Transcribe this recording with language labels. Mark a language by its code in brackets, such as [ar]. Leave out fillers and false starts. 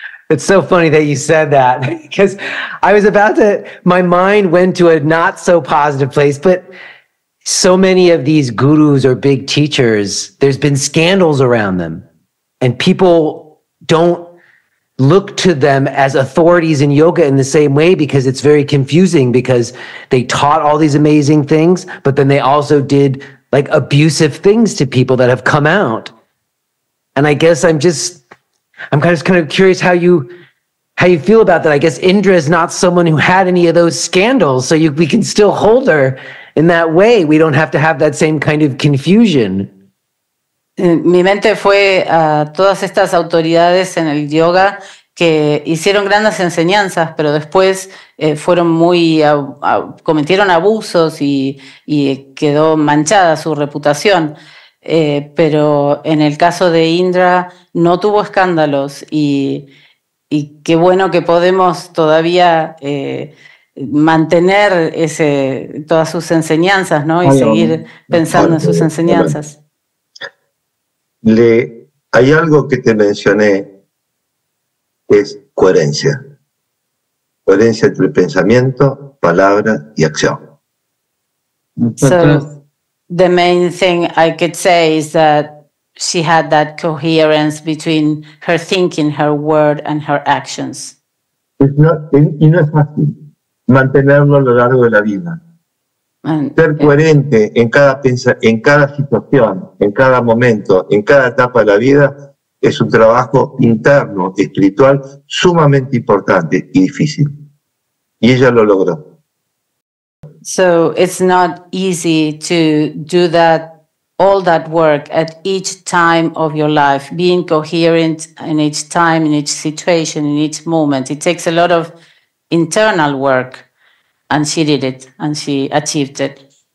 [en] It's so funny that you said that, because I was about to, my mind went to a not so positive place, but so many of these gurus or big teachers, there's been scandals around them, and people don't look to them as authorities in yoga in the same way, because it's very confusing, because they taught all these amazing things, but then they also did like abusive things to people that have come out. And I guess I'm kind of curious how you feel about that. I guess Indra is not someone who had any of those scandals, so we can still hold her in that way. We don't have to have that same kind of confusion. [es] Mi mente fue a todas estas autoridades en el yoga que hicieron grandes enseñanzas, pero después fueron muy cometieron abusos y quedó manchada su reputación. Pero en el caso de Indra no tuvo escándalos y qué bueno que podemos todavía mantener todas sus enseñanzas, ¿no? Y seguir pensando en sus enseñanzas. Hay algo que te mencioné, es coherencia. Coherencia entre pensamiento, palabra y acción. [en] The main thing I could say is that she had that coherence between her thinking, her word, and her actions. [es] No es fácil mantenerlo a lo largo de la vida. Ser coherente en cada situación, en cada momento, en cada etapa de la vida, es un trabajo interno, espiritual, sumamente importante y difícil. Y ella lo logró. [en] So it's not easy to do that, all that work at each time of your life, being coherent in each time, in each situation, in each moment. It takes a lot of internal work, and she did it, and she achieved it.